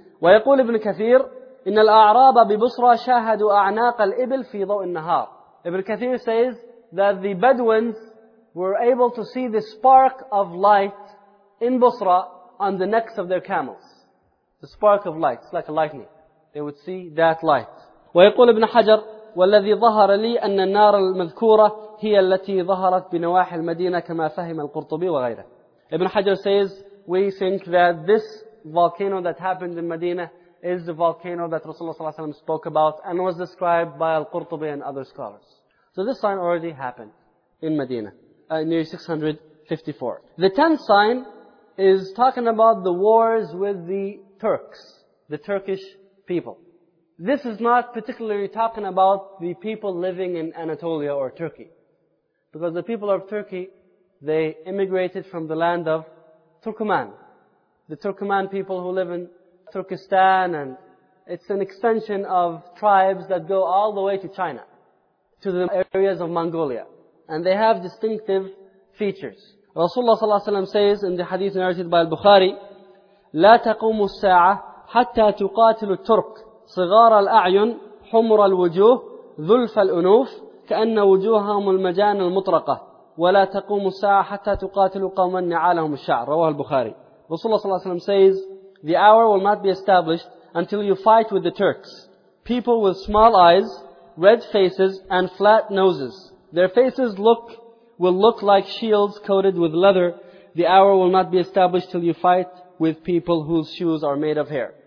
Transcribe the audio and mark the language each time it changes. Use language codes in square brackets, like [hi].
[ar] وَيَقُولُ ابْنُ كَثِيرٍ إِنَّ الْأَعْرَابَ بِبُصْرَى شَاهَدُوا أَعْنَاقَ الْإِبْلِ فِي ضَوْءِ النَّهَارِ. [en] Ibn Kathir says that the Bedouins were able to see the spark of light in Busra on the necks of their camels. The spark of light, it's like a lightning. They would see that light. [ar] ويقول ابن حجر والذي ظهر لي أن النار المذكورة هي التي ظهرت بنواحي المدينة كما فهم القرطبي وغيره. [en] Ibn Hajar says, we think that this volcano that happened in Medina is the volcano that Rasulullah ﷺ spoke about and was described by Al-Qurtubi and other scholars. So this sign already happened in Medina, near 654. The tenth sign is talking about the wars with the Turks, the Turkish people. This is not particularly talking about the people living in Anatolia or Turkey. Because the people of Turkey, they immigrated from the land of Turkoman. The Turkoman people who live in Turkestan, and it's an extension of tribes that go all the way to China. to the areas of Mongolia. And they have distinctive features. Rasulullah sallallahu alayhi wa sallam says in the hadith narrated by al-Bukhari, [ar] لا تقوم الساعة حتى تقاتل الترك صغار الأعين حمر الوجوه ذلف الأنوف كأن وجوههم المجان المطرقة ولا تقوم الساعة حتى تقاتل قوما نعالهم الشعر رواه البخاري. [en] Rasulullah sallallahu alayhi wa sallam says, the hour will not be established until you fight with the Turks. People with small eyes, red faces, and flat noses. Their faces will look like shields coated with leather. The hour will not be established till you fight with people whose shoes are made of hair.